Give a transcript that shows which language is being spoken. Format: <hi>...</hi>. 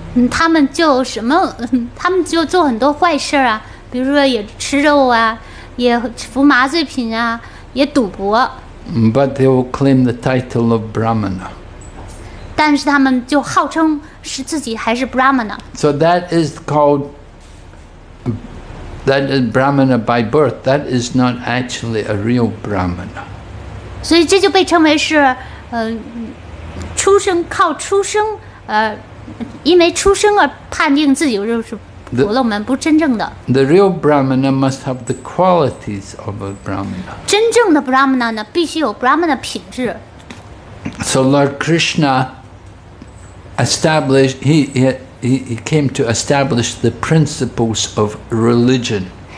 <zh>他们就做很多坏事啊, 比如说也吃肉啊, 也服麻醉品啊, 也赌博。</zh> <en>But they will claim the title of Brahmana.</en> <zh>但是他们就号称是自己还是 Brahmana。</zh> <en>So that is called that is Brahmana by birth. That is not actually a real Brahmana.</en> <zh>所以这就被称为是, 出生, 靠出生, 因为出生而判定自己就是婆罗门不真正的。</zh> <en>The real Brahmana must have the qualities of a Brahmana.</en> <zh>真正的 Brahmana呢, 必须有 Brahmana品质。</zh> <en>So Lord Krishna established, he came to establish the principles of religion.</en>